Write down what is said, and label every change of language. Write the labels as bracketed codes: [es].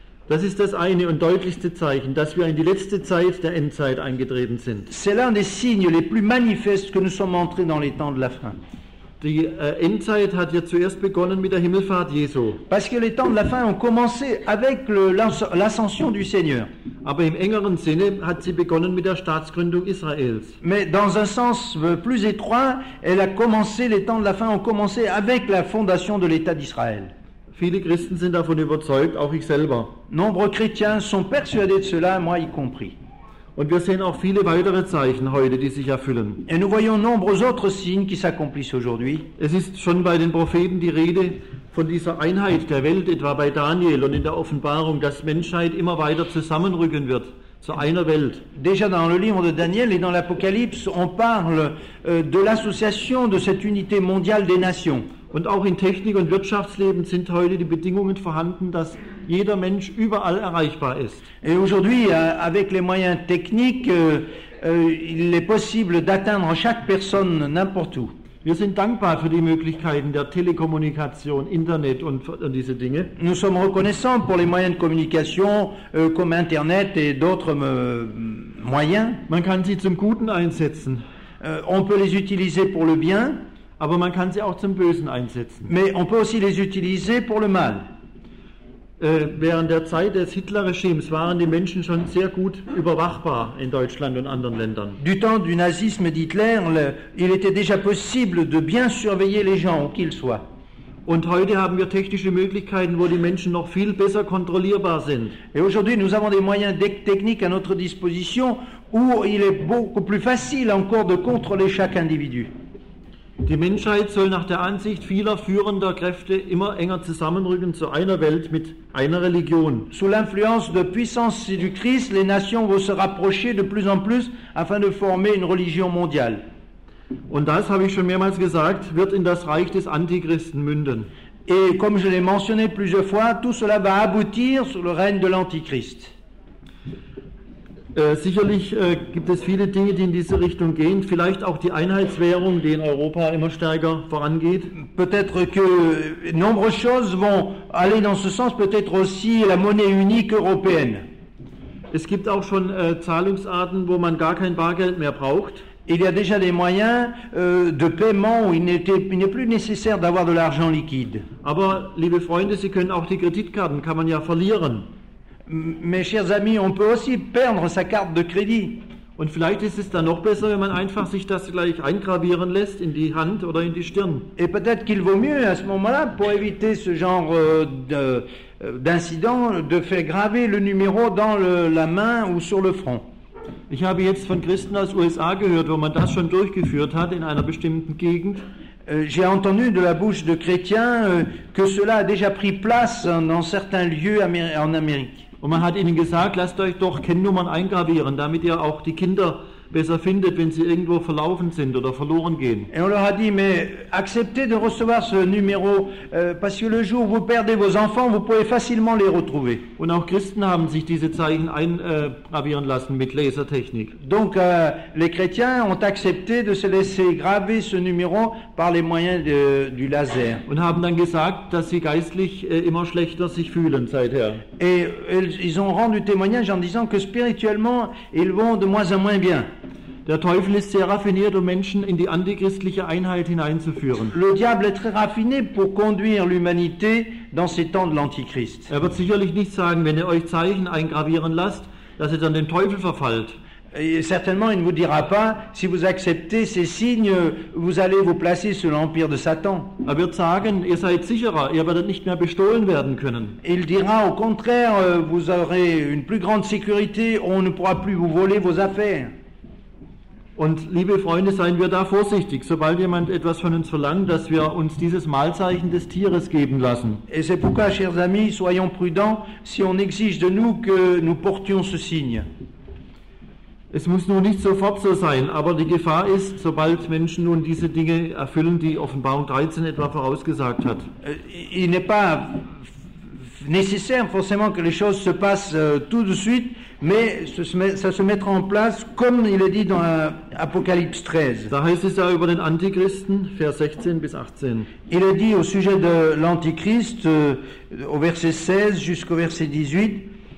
[de] Das ist das eine und deutlichste Zeichen, dass wir in die letzte Zeit der Endzeit eingetreten sind. [fr] C'est l'un des signes les plus manifestes que nous sommes entrés dans les temps de la fin. [de] Die Endzeit hat ja zuerst begonnen mit der Himmelfahrt Jesu. [fr] Parce que les temps de la fin ont commencé avec l'ascension du Seigneur. [de] Aber im engeren Sinne hat sie begonnen mit der Staatsgründung Israels. [fr] Mais dans un sens plus étroit, elle a commencé, les temps de la fin ont commencé avec la fondation de l'État d'Israël. [de] Viele Christen sind davon überzeugt, auch ich selber. [fr] Nombreux chrétiens sont persuadés de cela, moi y compris. [de] Und wir sehen auch viele weitere Zeichen heute, die sich erfüllen. [fr] Et nous voyons nombreux autres signes qui s'accomplissent aujourd'hui. [de] Es ist schon bei den Propheten die Rede von dieser Einheit der Welt, etwa bei Daniel und in der Offenbarung, dass Menschheit immer weiter zusammenrücken wird zu einer Welt. [fr] Déjà dans le livre de Daniel et dans l'Apocalypse, on parle de l'association de cette unité mondiale des nations. [de] Und auch in Technik und Wirtschaftsleben sind heute die Bedingungen vorhanden, dass jeder Mensch überall erreichbar ist. [fr] Et aujourd'hui, avec les moyens techniques, il est possible d'atteindre chaque personne n'importe où. [de] Wir sind dankbar für die Möglichkeiten der Telekommunikation, Internet und diese Dinge. [fr] Nous sommes reconnaissants pour les moyens de communication comme Internet et d'autres moyens. [de] Man kann sie zum Guten einsetzen. [fr] On peut les utiliser pour le bien. [de] Aber man kann sie auch zum Bösen einsetzen. [fr] Mais on peut aussi les utiliser pour le mal. [de] Während der Zeit des Hitler-Regimes waren die Menschen schon sehr gut überwachbar in Deutschland und anderen Ländern. [fr] Du temps du nazisme d'Hitler, il était déjà possible de bien surveiller les gens, où qu'ils soient. [de] Und heute haben wir technische Möglichkeiten, wo die Menschen noch viel besser kontrollierbar sind. [fr] Et aujourd'hui, nous avons des moyens techniques à notre disposition, où il est beaucoup plus facile encore de contrôler chaque individu. [de] Die Menschheit soll nach der Ansicht vieler führender Kräfte immer enger zusammenrücken zu einer Welt mit einer Religion. [fr] Sous l'influence de puissance du Christ, les nations vont se rapprocher de plus en plus afin de former une religion mondiale. [de] Und das, habe ich schon mehrmals gesagt, wird in das Reich des Antichristen münden. [fr] Et comme je l'ai mentionné plusieurs fois, tout cela va aboutir sur le règne de l'Antichrist. [de] Sicherlich gibt es viele Dinge, die in diese Richtung gehen. Vielleicht auch die Einheitswährung, die in Europa immer stärker vorangeht. [fr] Peut-être que nombreuses choses vont aller dans ce sens. Peut-être aussi la monnaie unique européenne. [de] Es gibt auch schon Zahlungsarten, wo man gar kein Bargeld mehr braucht. [fr] Il y a déjà des moyens de paiement où il n'est plus nécessaire d'avoir de l'argent liquide. [de] Aber liebe Freunde, Sie können auch die Kreditkarten, kann man ja verlieren. [fr] Mes chers amis, on peut aussi perdre sa carte de crédit. [de] Und vielleicht ist es dann noch besser, wenn man einfach sich das gleich eingravieren lässt in die Hand oder in die Stirn. [fr] Et peut-être qu'il vaut mieux à ce moment-là, pour éviter ce genre d'incident, de faire graver le numéro dans la main ou sur le front. [de] Ich habe jetzt von Christen aus USA gehört, wo man das schon durchgeführt hat in einer bestimmten Gegend. [fr] J'ai entendu de la bouche de chrétiens que cela a déjà pris place dans certains lieux en Amérique. [de] Und man hat ihnen gesagt, lasst euch doch Kennnummern eingravieren, damit ihr auch die Kinder besser findet, wenn sie irgendwo verlaufen sind oder verloren gehen. [fr] Et on leur a dit, mais acceptez de recevoir ce numéro, parce que le jour où vous perdez vos enfants, vous pouvez facilement les retrouver. [de] Und auch Christen haben sich diese Zeichen eingravieren lassen mit Lasertechnik. [fr] Donc les chrétiens ont accepté de se laisser graver ce numéro par les moyens du laser. [de] Und haben dann gesagt, dass sie geistlich immer schlechter sich fühlen seither. [fr] Et ils ont rendu témoignage en disant que spirituellement, ils vont de moins en moins bien. [de] Der Teufel ist sehr raffiniert, um Menschen in die antichristliche Einheit hineinzuführen. [fr] Le diable est très raffiné pour conduire l'humanité dans ces temps de l'Antichrist. [de] Er wird sicherlich nicht sagen, wenn ihr euch Zeichen eingravieren lasst, dass ihr dann dem Teufel verfallt. [fr] Et certainement, il ne vous dira pas, si vous acceptez ces signes, vous allez vous placer sous l'empire de Satan. [de] Er wird sagen, ihr seid sicherer, ihr werdet nicht mehr bestohlen werden können. [fr] Il dira au contraire, vous aurez une plus grande sécurité, on ne pourra plus vous voler vos affaires. [de] Und liebe Freunde, seien wir da vorsichtig, sobald jemand etwas von uns verlangt, dass wir uns dieses Malzeichen des Tieres geben lassen. [fr] Et c'est pourquoi, chers amis, soyons prudents, si on exige de nous que nous portions ce signe. [de] Es muss nun nicht sofort so sein, aber die Gefahr ist, sobald Menschen nun diese Dinge erfüllen, die Offenbarung 13 etwa vorausgesagt hat. [fr] Il n'est pas nécessaire forcément que les choses se passent tout de suite, mais ça se mettra en place, comme il est dit dans Apocalypse 13. [de] Da heißt es ja über den Antichristen, Vers 16 bis 18. [fr] Il est dit au sujet de l'Antichrist, au verset 16 jusqu'au verset 18.